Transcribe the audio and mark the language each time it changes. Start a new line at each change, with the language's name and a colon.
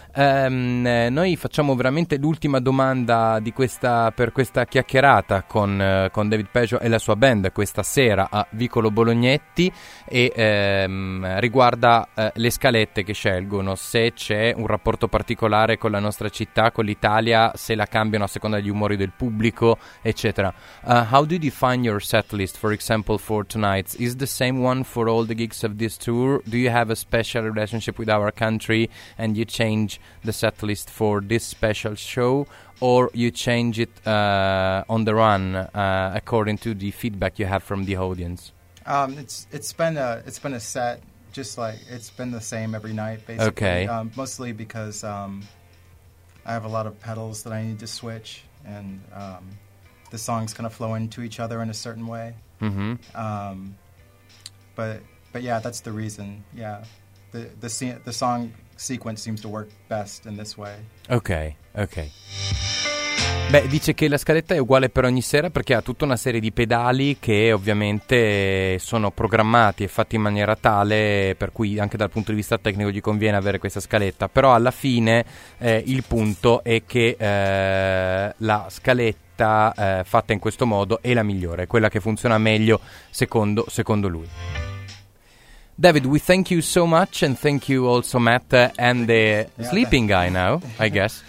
Italian: Noi facciamo veramente l'ultima domanda per questa chiacchierata con David Peggio e la sua band questa sera a Vicolo Bolognetti, e riguarda le scalette che scelgono, se c'è un rapporto particolare con la nostra città, con l'Italia, se la cambiano a seconda degli umori del pubblico, eccetera.
English: How do you define your set list, for example, for tonight? Is the same one for all the gigs of this tour? Do you have a special relationship with our country and you change the set list for this special show, or you change it on the run according to the feedback you have from the audience? It's been a set, just like it's been the same every night basically. Okay. Mostly because I have a lot of pedals that I need to switch, and the songs kind of flow into each other in a certain way. Mm-hmm. But yeah, that's the reason. Yeah, the song sequence seems to work best in this way. Okay.
Italian: Beh, dice che la scaletta è uguale per ogni sera perché ha tutta una serie di pedali che ovviamente sono programmati e fatti in maniera tale per cui anche dal punto di vista tecnico gli conviene avere questa scaletta, però alla fine il punto è che la scaletta fatta in questo modo è la migliore, quella che funziona meglio secondo lui.
English: David, we thank you so much, and thank you also, Matt, and the sleeping guy now, I guess.